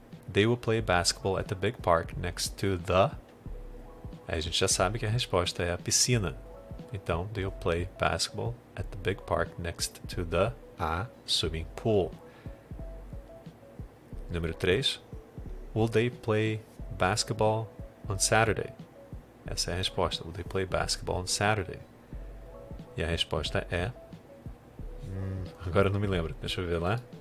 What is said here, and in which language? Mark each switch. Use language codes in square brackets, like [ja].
[en] They will play basketball at the big park next to the... [pt] Aí a gente já sabe que a resposta é a piscina. [en] Então, they will play basketball at the big park next to the a swimming pool. Número 3. Will they play basketball on Saturday? [pt] Essa é a resposta. [en] Will they play basketball on Saturday? [pt] E a resposta é... agora não me lembro. Deixa eu ver lá.